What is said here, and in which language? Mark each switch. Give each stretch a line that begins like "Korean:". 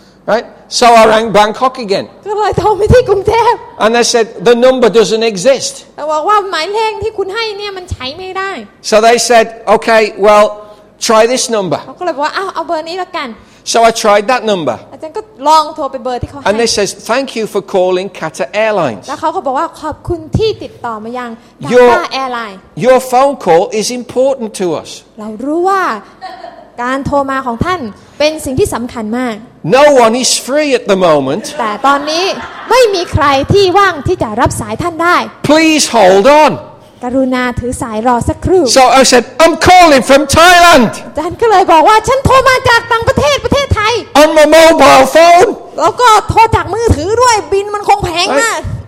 English: Right so I rang Bangkok again
Thai: ก็เลยโทรไปที่กรุงเทพ
English: And they said the number doesn't exist
Thai: แล้วบอกว่าหมายเลขที่คุณให้เนี่ยมันใช้ไม่ได้
English: So they said okay well try this number
Thai: ก็เลยบอกว่าเอาเบอร์นี้ละกัน
English: So I tried that number
Thai: อาจารย์ก็ลองโทรไปเบอร์ที่เขาให้
English: And they said thank you for calling Qatar Airlines
Thai: แล้วเขาก็บอกว่าขอบคุณที่ติดต่อมายัง Qatar Airlines
English: Your phone call is important to us
Thai: เรารู้ว่าการโทรมาของท่านเป็นสิ่งที่สำคัญมาก
English: No one is free at the moment
Thai: แต่ตอนนี้ไม่มีใครที่ว่างที่จะรับสายท่านได้
English: Please hold on
Thai: กรุณาถือสายรอสักครู่
English: So I said I'm calling from Thailand
Thai: ท่านก็เลยบอกว่าฉันโทรมาจากต่างประเทศประเทศไทย
English: On my mobile phone
Thai: แล้วก็โทรจากมือถือด้วยบินมันคงแพงมาก